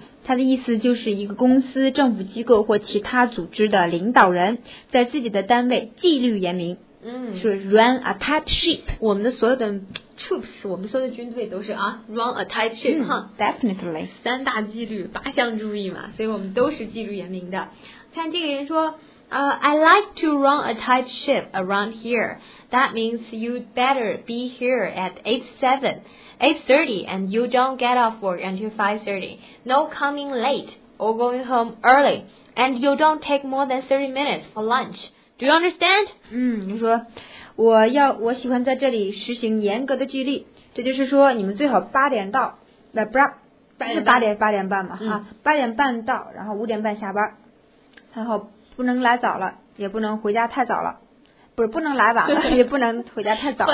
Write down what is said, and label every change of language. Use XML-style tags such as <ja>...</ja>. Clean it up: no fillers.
<zh>它的意思就是一个公司、政府机构或其他组织的领导人在自己的单位纪律严明。</zh> <en>是 run a tight ship。</en> <zh>我们的所有的 troops， 我们所有的军队都是</zh> <en>run a tight ship、 definitely</en> <zh>三大纪律八项注意嘛，所以我们都是纪律严明的。看这个人说</zh> <en>I like to run a tight ship around here. That means you'd better be here at 8:30 and you don't get off work until 5:30. No coming late or going home early, and you don't take more than 30 minutes for lunch. Do you understand?</en> <zh>你说我喜欢在这里实行严格的纪律，这就是说你们最好八点到，八点半到，然后5点半下班，然后不能来早了，也不能回家太早了，不能来晚了，也不能回家太早了。</zh>